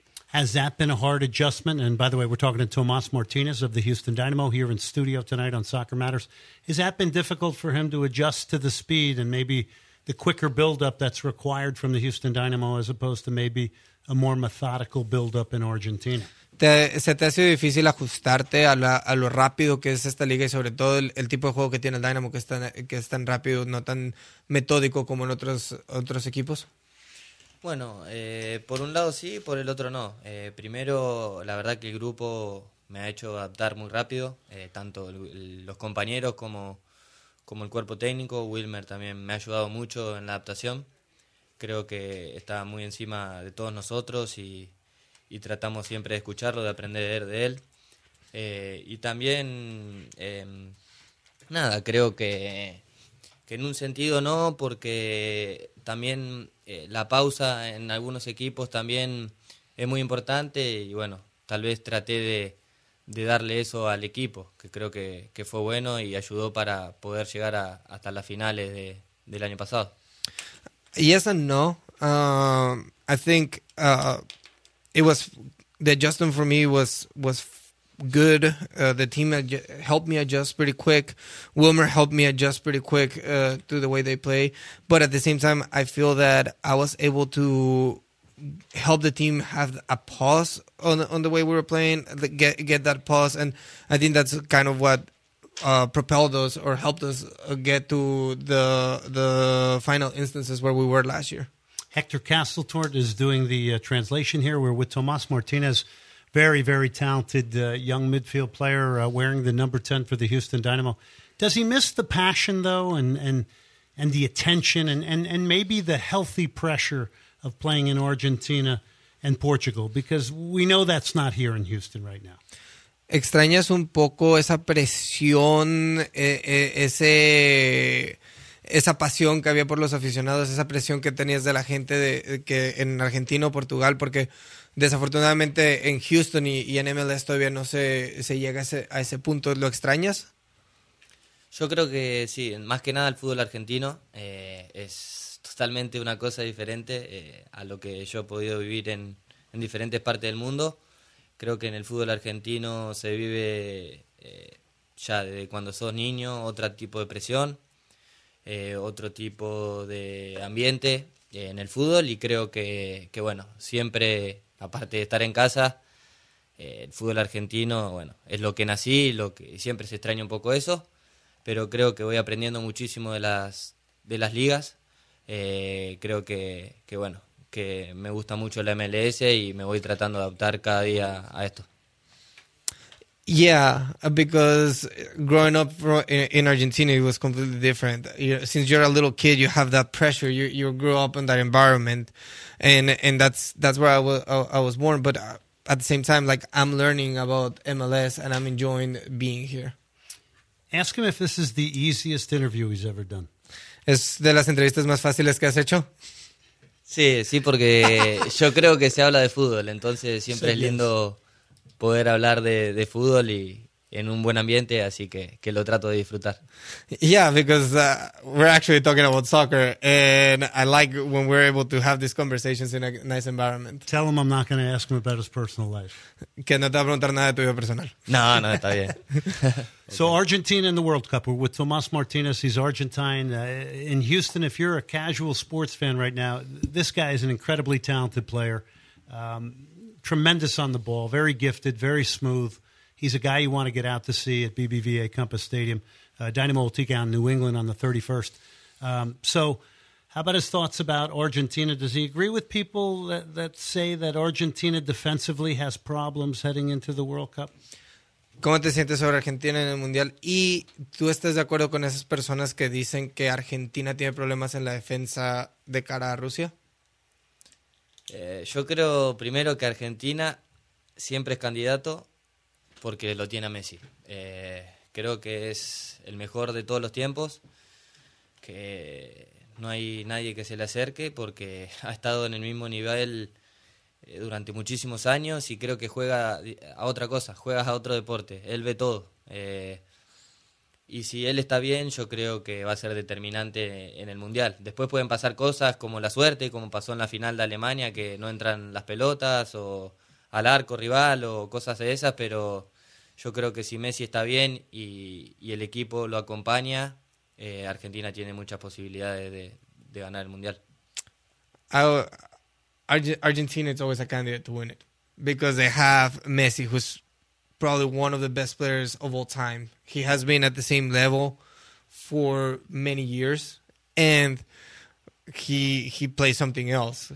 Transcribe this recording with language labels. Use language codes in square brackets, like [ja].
[en] Has that been a hard adjustment? And by the way, we're talking to Tomas Martinez of the Houston Dynamo here in studio tonight on Soccer Matters. Has that been difficult for him to adjust to the speed and maybe the quicker buildup that's required from the Houston Dynamo as opposed to maybe a more methodical buildup in Argentina? [es] Se te ha sido difícil ajustarte a lo rápido que es esta liga y sobre todo el tipo de juego que tiene el Dynamo, que es tan rápido, no tan metódico como en otros equipos. Bueno, por un lado sí, por el otro no. Primero, la verdad que el grupo me ha hecho adaptar muy rápido, tanto los compañeros como el cuerpo técnico. Wilmer también me ha ayudado mucho en la adaptación. Creo que está muy encima de todos nosotros y tratamos siempre de escucharlo, de aprender de él. Y también, nada, creo que en un sentido no, porque también la pausa en algunos equipos también es muy importante y bueno, tal vez traté de darle eso al equipo, que creo que fue bueno y ayudó para poder llegar hasta las finales del año pasado. [en] Yes and no. I think it was the adjustment for me was good. The team helped me adjust pretty quick. Wilmer helped me adjust pretty quick to the way they play. But at the same time, I feel that I was able to help the team have a pause on the way we were playing, get that pause. And I think that's kind of what propelled us or helped us get to the final instances where we were last year. Hector Casteltort is doing the translation here. We're with Tomas Martinez. Very, very talented young midfield player wearing the number 10 for the Houston Dynamo. Does he miss the passion, though, and the attention and maybe the healthy pressure of playing in Argentina and Portugal? Because we know that's not here in Houston right now. [es] ¿Extrañas un poco esa presión, esa pasión que había por los aficionados, esa presión que tenías de la gente que en Argentina o Portugal? Porque desafortunadamente en Houston y en MLS todavía no se llega a ese punto. ¿Lo extrañas? Yo creo que sí, más que nada el fútbol argentino es totalmente una cosa diferente a lo que yo he podido vivir en diferentes partes del mundo. Creo que en el fútbol argentino se vive ya desde cuando sos niño otro tipo de presión, otro tipo de ambiente en el fútbol, y creo que bueno, siempre, aparte de estar en casa, el fútbol argentino, bueno, es lo que nací, lo que siempre se extraña un poco eso, pero creo que voy aprendiendo muchísimo de las ligas. Creo que bueno, que me gusta mucho la MLS y me voy tratando de adaptar cada día a esto. [en] Yeah, because growing up in Argentina, it was completely different. Since you're a little kid, you have that pressure. You grew up in that environment, and that's where I was born. But at the same time, like, I'm learning about MLS, and I'm enjoying being here. Ask him if this is the easiest interview he's ever done. [es] ¿Es de las entrevistas más fáciles que has hecho? Sí, sí, porque yo creo que se habla de fútbol, entonces siempre es lindo poder hablar de fútbol y en un buen ambiente, así que lo trato de disfrutar. [en] Yeah, because we're actually talking about soccer, and I like when we're able to have these conversations in a nice environment. Tell him I'm not going to ask him about his personal life. [es] Que no te va a preguntar nada de tu vida personal. No, está bien. [en] So Argentina in the World Cup, we're with Tomás Martínez, he's Argentine. In Houston, if you're a casual sports fan right now, this guy is an incredibly talented player, tremendous on the ball, very gifted, very smooth. He's a guy you want to get out to see at BBVA Compass Stadium, Dynamo Tigán, New England, on the 31st. So how about his thoughts about Argentina? Does he agree with people that say that Argentina defensively has problems heading into the World Cup? [es] ¿Cómo te sientes sobre Argentina en el Mundial? ¿Y tú estás de acuerdo con esas personas que dicen que Argentina tiene problemas en la defensa de cara a Rusia? Yo creo primero que Argentina siempre es candidato porque lo tiene a Messi. Creo que es el mejor de todos los tiempos, que no hay nadie que se le acerque porque ha estado en el mismo nivel durante muchísimos años y creo que juega a otra cosa, juega a otro deporte, él ve todo. Y si él está bien, yo creo que va a ser determinante en el Mundial. Después pueden pasar cosas como la suerte, como pasó en la final de Alemania, que no entran las pelotas o al arco rival o cosas de esas, pero yo creo que si Messi está bien y el equipo lo acompaña, Argentina tiene muchas posibilidades de ganar el Mundial. [en] Argentina is always a candidate to win it because they have Messi, who's probably one of the best players of all time. He has been at the same level for many years, and he plays something else.